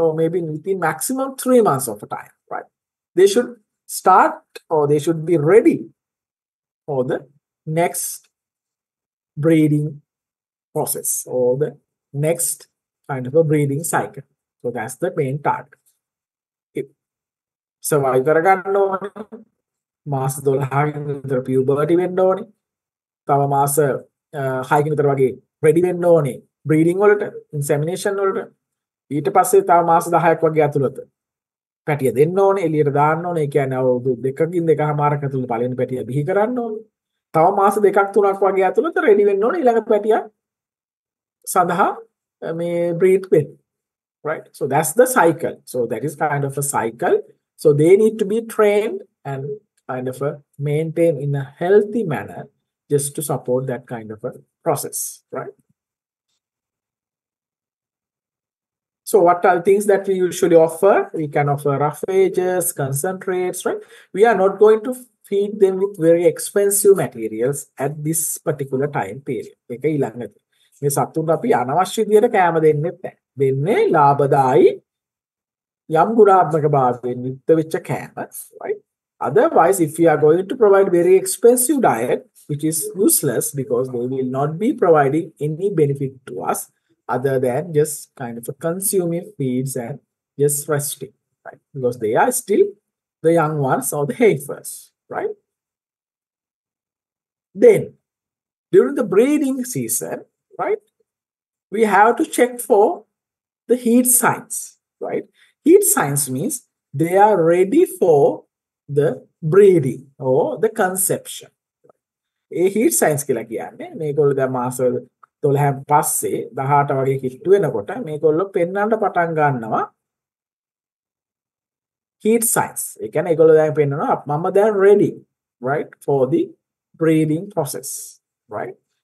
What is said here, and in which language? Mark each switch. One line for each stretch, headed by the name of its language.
English: Or maybe within maximum 3 months of a time, right? They should start or they should be ready for the next breeding process or the next kind of a breeding cycle. So that's the main target.
Sinhala: If survive කරගන්න ඕනේ මාස 12කින් විතර puberty වෙන්න ඕනේ. තව මාස 6කින් විතර වගේ ready වෙන්න ඕනේ breeding වලට, insemination වලට. ඊට පස්සේ තව මාස 10ක් වගේ ඇතුළත පැටිය දෙන්න ඕනේ, එළියට දාන්න ඕනේ. ඒ කියන්නේ අවුරුදු දෙකකින් දෙකහමාරක් ඇතුළත පළවෙනි පැටිය බිහි කරන්න ඕනේ. තව මාස 2ක් 3ක් වගේ ඇතුළත ready වෙන්න ඕනේ ඊළඟ පැටිය සඳහා මේ breed වෙන්න.
English: Right, so that's the cycle. So that is kind of a cycle. So they need to be trained and kind of a maintained in a healthy manner just to support that kind of a process, right? So what are the things that we usually offer? We can offer roughages, concentrates, right? We are not going to feed them with very expensive materials at this particular time period.
Sinhala: මේ සත්තුන් අපි අනවශ්‍ය විදියට කෑම දෙන්නෙත් නැහැ. දෙන්නේ ලාභදායි යම් ගුණාත්මක භාවයෙන් යුක්ත වෙච්ච කෑම.
English: Right? Otherwise, if we are going to provide very expensive diet, which is useless because they will not be providing any benefit to us other than just kind of consuming feeds and just resting. Right? Because they are still the young ones or the heifers. Right? Then, during the breeding season, right, we have to check for the heat signs, right? Heat signs means they are ready for the breeding or the conception.
Sinhala: A heat signs කියලා කියන්නේ මේගොල්ලෝ දැන් මාස 12න් පස්සේ 18 වගේ කිට්ටු වෙනකොට මේගොල්ලෝ පෙන්වන්න පටන් ගන්නවා heat signs. ඒ කියන්නේ ඒගොල්ලෝ දැන් පෙන්වනවා මම දැන් ready,
English: right, for the breeding process, right?